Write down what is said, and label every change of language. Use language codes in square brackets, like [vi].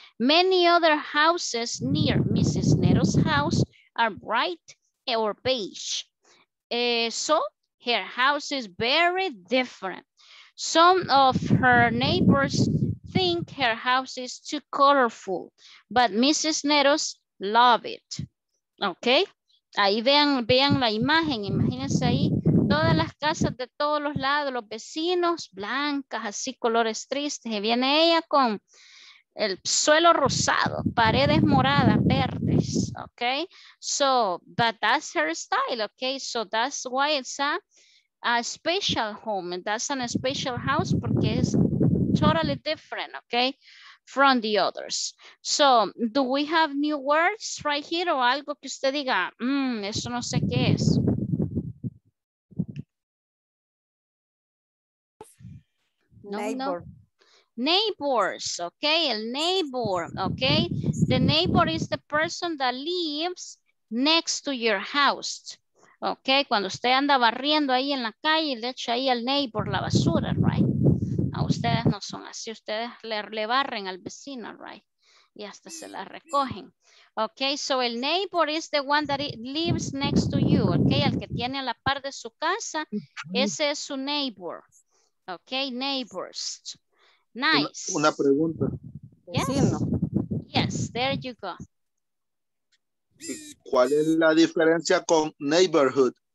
[en] Many other houses near Mrs. Nero's house are bright or beige. So her house is very different. Some of her neighbors think her house is too colorful, but Mrs. Neros love it. [es] Okay, ahí vean la imagen, imagínense ahí todas las casas de todos los lados, los vecinos, blancas, así colores tristes, y viene ella con el suelo rosado, paredes moradas, verdes. [en] Okay, so, but that's her style. Okay, so that's why it's a special home, and that's an special house, [es] porque es [en] totally different, okay, from the others. So, do we have new words right here or [es] algo que usted diga, eso no sé qué es? [en] Neighbors, okay, el neighbor, okay. The neighbor is the person that lives next to your house. [es] Okay, cuando usted anda barriendo ahí en la calle, le echa ahí al neighbor la basura, right? No, ustedes no son así, ustedes le barren al vecino, right? Y hasta se la recogen. [en] Okay, so el neighbor is the one that lives next to you, okay? [es] El que tiene a la par de su casa, ese es su neighbor. [en] Okay, neighbors. Nice. [es] Una pregunta. [en] Yes. Yes, there you go. [es] ¿Cuál es la diferencia con neighborhood?